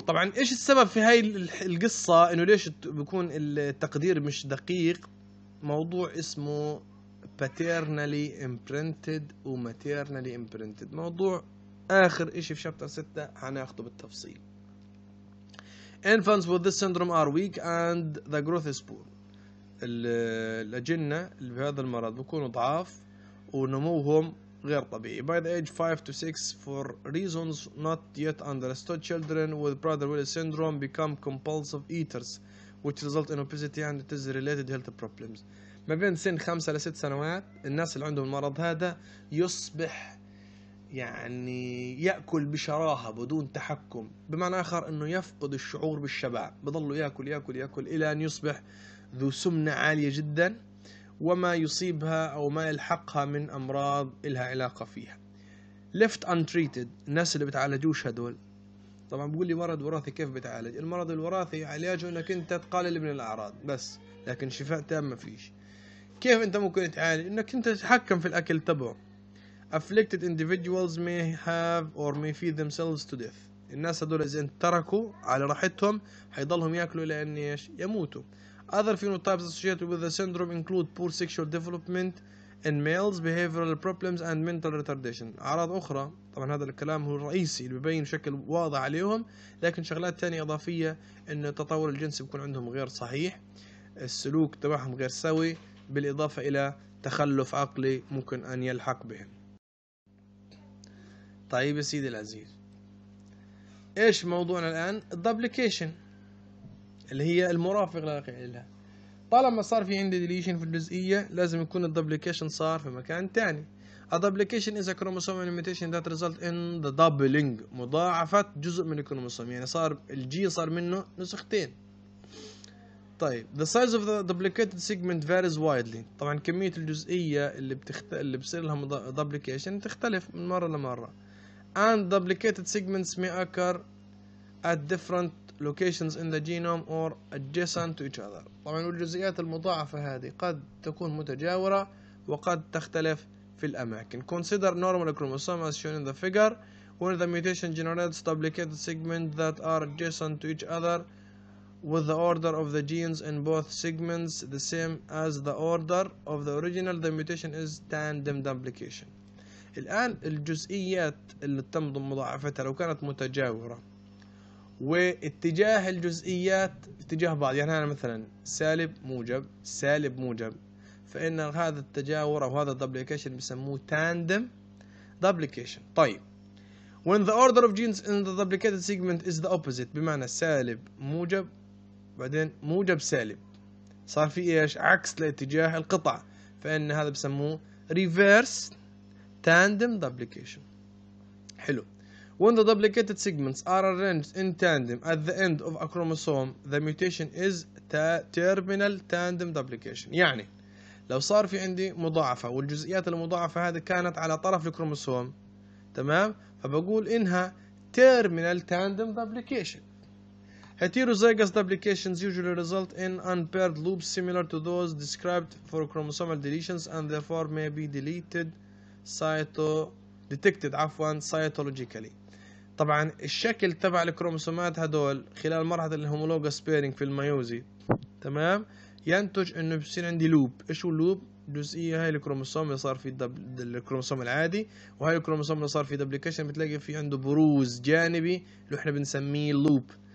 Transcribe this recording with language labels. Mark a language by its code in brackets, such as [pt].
[ar] طبعا إيش السبب في هاي القصة إنه ليش بكون التقدير مش دقيق؟ موضوع اسمه paternally imprinted و maternally imprinted، موضوع آخر إشي في شابتر 6 هناخده بالتفصيل. [en] Infants with this syndrome are weak and the growth is poor. [ar] الأجنة اللي بهذا المرض بكونوا ضعاف ونموهم غير طبيعي. [en] By the age 5 to 6 for reasons not yet understood, children with Prader-Willi syndrome become compulsive eaters which result in obesity and it is related health problems. [ar] ما بين سن 5 إلى 6 سنوات الناس اللي عندهم المرض هذا يصبح يعني يأكل بشراهة بدون تحكم، بمعنى آخر أنه يفقد الشعور بالشبع، بضلوا يأكل يأكل يأكل إلى أن يصبح ذو سمنة عالية جدا، وما يصيبها أو ما يلحقها من أمراض إلها علاقة فيها. [en] Left untreated، [ar] الناس اللي بتعالجوش هدول، طبعا بقول لي مرض وراثي كيف بتعالج؟ المرض الوراثي علاجه أنك أنت تقلل من الأعراض بس، لكن شفاء تام ما فيش. كيف أنت ممكن تعالج؟ أنك أنت تتحكم في الأكل تبعه. [en] Afflicted individuals may have or may feed themselves to death. [ar] الناس هذول إذا تركوا على راحتهم حيضلهم يأكلوا لأن إيش؟ يموتوا. [en] Other phenotypes associated with the syndrome include poor sexual development in males, behavioral problems and mental retardation. [ar] أعراض أخرى، طبعا هذا الكلام هو الرئيسي اللي ببين بشكل واضح عليهم، لكن شغلات تانية إضافية إن التطور الجنسي بيكون عندهم غير صحيح، السلوك تبعهم غير سوي، بالإضافة إلى تخلف عقلي ممكن أن يلحق بهم. طيب يا سيدي العزيز، ايش موضوعنا الان؟ الدوبليكيشن اللي هي المرافق لها. طالما صار في عندي ديليشن في الجزئيه لازم يكون الدوبليكيشن صار في مكان ثاني. [en] الدوبليكيشن اذا chromosome mutation that result in the doubling, [ar] مضاعفه جزء من الكروموسوم، يعني صار الجي صار منه نسختين. طيب [en] the size of the duplicated segment varies widely، [ar] طبعا كمية الجزئية اللي اللي بصير لها duplication تختلف من مرة لمرة. [en] And duplicated segments may occur at different locations in the genome or adjacent to each other، [ar] طبعا الجزئيات المضاعفة هذه قد تكون متجاورة وقد تختلف في الأماكن. [en] Consider normal chromosome as shown in the figure when the mutation generates duplicated segments that are adjacent to each other with the order of the genes in both segments the same as the order of the original, the mutation is tandem duplication. [ar] الآن الجزئيات اللي تم مضاعفتها لو كانت متجاورة واتجاه الجزئيات اتجاه بعض، يعني أنا مثلا سالب موجب سالب موجب، فإن هذا التجاور أو هذا duplication بسموه tandem duplication. طيب [en] when the order of genes in the duplicated segment is the opposite، [ar] بمعنى سالب موجب بعدين موجب سالب، صار في ايش؟ عكس لاتجاه القطع، فان هذا بسموه reverse tandem duplication. حلو. [en] When the duplicated segments are arranged in tandem at the end of a chromosome the mutation is terminal tandem duplication. [ar] يعني لو صار في عندي مضاعفة والجزئيات المضاعفة هذه كانت على طرف الكروموسوم، تمام، فبقول انها terminal tandem duplication. [en] Heterozygous duplications usually result in unpaired loops similar to those described for chromosomal deletions and therefore may be deleted cytologically. [ar] طبعا الشكل تبع الكروموسومات هدول خلال مرحلة الهومولوجس بيرينج في الميوزي، تمام، ينتج انه بصير عندي لوب. ايش هو لوب؟ جزئية هاي الكروموسوم اللي صار في الكروموسوم العادي وهاي الكروموسوم اللي صار في دوبليكيشن، بتلاقي في عنده بروز جانبي اللي احنا بنسميه لوب.